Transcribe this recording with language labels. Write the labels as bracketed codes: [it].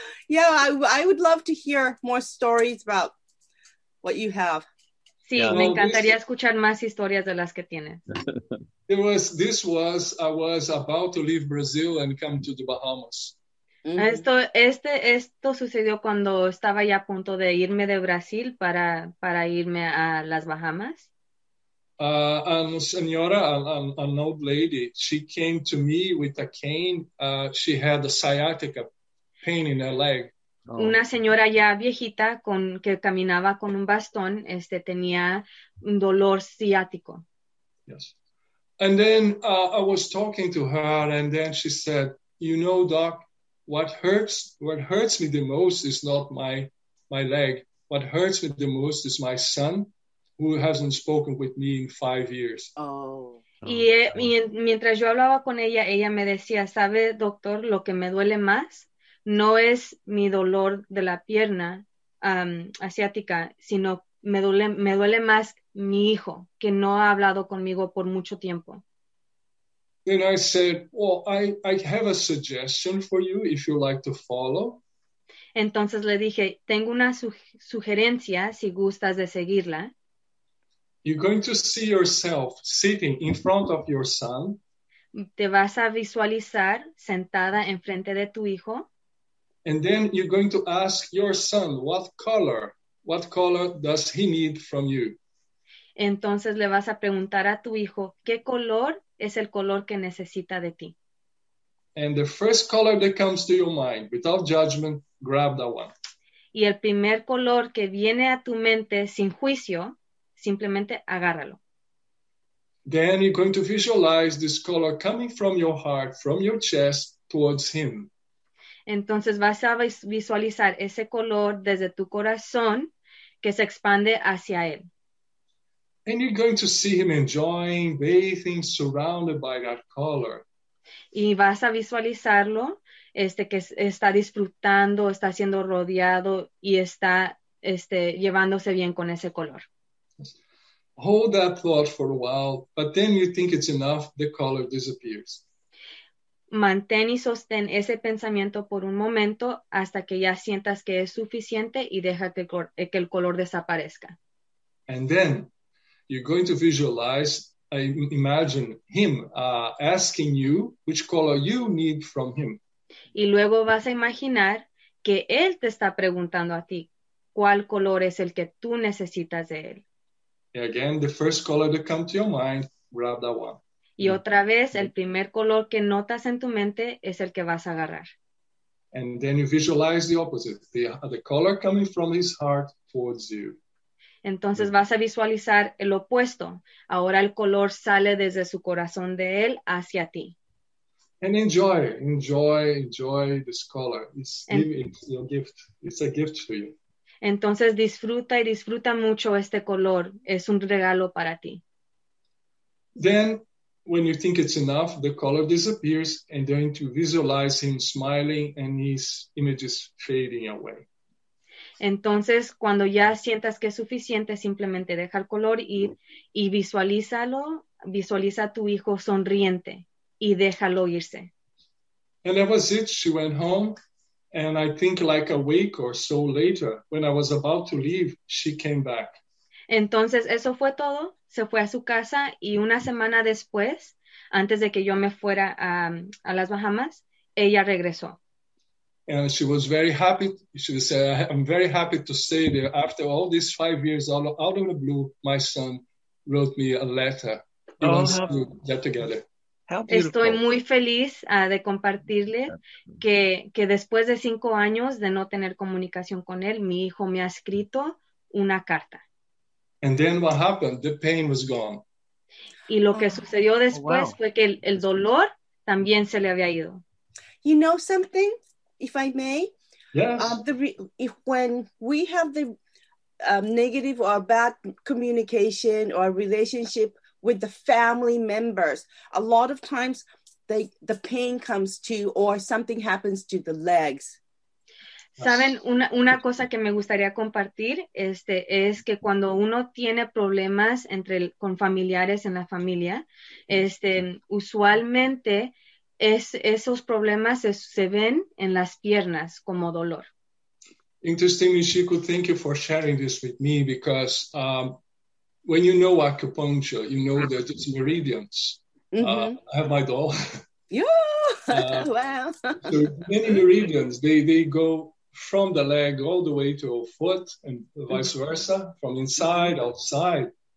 [en] I would love to hear more stories about what you have. [es] Sí, [en] yeah. [es] Me encantaría escuchar más historias de las que tienes. [en] I was about to leave Brazil and come to the Bahamas. [es] Esto sucedió cuando estaba ya a punto de irme de Brasil para irme a las Bahamas. [en] An old lady, she came to me with a cane. She had a sciatica pain in her leg. [es] Una señora ya viejita que caminaba con un bastón, tenía un dolor ciático. [en] Yes. And then I was talking to her, and then she said, "You know, doc, what hurts me the most is not my leg. What hurts me the most is my son, who hasn't spoken with me in 5 years." Oh. [es] Y mientras yo hablaba con ella, ella me decía, "¿Sabe, doctor, lo que me duele más no es mi dolor de la pierna asiática, sino me duele más mi hijo, que no ha hablado conmigo por mucho tiempo." [en] Then I said, "Well, I have a suggestion for you if you like to follow." [es] Entonces le dije, "Tengo una sugerencia si gustas de seguirla." [en] You're going to see yourself sitting in front of your son. [es] Te vas a visualizar sentada en frente de tu hijo. [en] And then you're going to ask your son, what color does he need from you? [es] Entonces le vas a preguntar a tu hijo, ¿qué color es el color que necesita de ti? [en] And the first color that comes to your mind, without judgment, grab that one. [es] Y el primer color que viene a tu mente sin juicio, simplemente agárralo. [en] Then you're going to visualize this color coming from your heart, from your chest, towards him. [es] Entonces vas a visualizar ese color desde tu corazón que se expande hacia él. [en] And you're going to see him enjoying bathing surrounded by that color. [es] Y vas a visualizarlo que está disfrutando, está siendo rodeado y está llevándose bien con ese color. [en] Hold that thought for a while, but then you think it's enough, the color disappears. [es] Mantén y sostén ese pensamiento por un momento hasta que ya sientas que es suficiente y deja que el color desaparezca. [en] And then you're going to visualize, imagine him asking you which color you need from him. [es] Y luego vas a imaginar que él te está preguntando a ti cuál color es el que tú necesitas de él. [en] Again, the first color that comes to your mind, grab that one. [es] Y otra vez, el primer color que notas en tu mente es el que vas a agarrar. [en] And then you visualize the opposite, the color coming from his heart towards you. [es] Entonces vas a visualizar el opuesto. Ahora el color sale desde su corazón de él hacia ti. [en] And enjoy this color. It's your gift. It's a gift for you. [es] Entonces disfruta y disfruta mucho este color. Es un regalo para ti. [en] Then, when you think it's enough, the color disappears, and then to visualize him smiling and his images fading away. [es] Entonces, cuando ya sientas que es suficiente, simplemente deja el color ir y visualiza a tu hijo sonriente y déjalo irse. [en] And that was it. She went home. And I think like a week or so later, when I was about to leave, she came back. [es] Entonces, eso fue todo. Se fue a su casa y una semana después, antes de que yo me fuera a las Bahamas, ella regresó. [en] And she was very happy. She said, I'm very happy to stay there. After all these 5 years, out of the blue, my son wrote me a letter. He wants to get together. [es] Estoy muy feliz de compartirle que después de 5 años de no tener comunicación con él, mi hijo me ha escrito una carta. [en] And then what happened? The pain was gone. [es] Y lo que sucedió después fue que el dolor también se le había ido. [en] You know something, if I may? Yes. When we have the negative or bad communication or relationship with the family members, a lot of times the pain comes to or something happens to the legs. [es] Saben, una cosa que me gustaría compartir es que cuando uno tiene problemas con familiares en la familia, usualmente esos problemas se ven en las piernas como dolor. [en] Interesting, Michiko, thank you for sharing this with me because when you know acupuncture, you know that it's meridians. Mm-hmm. I have my doll. Yeah. Wow. So many meridians, they go from the leg all the way to the foot and vice versa, from inside, outside.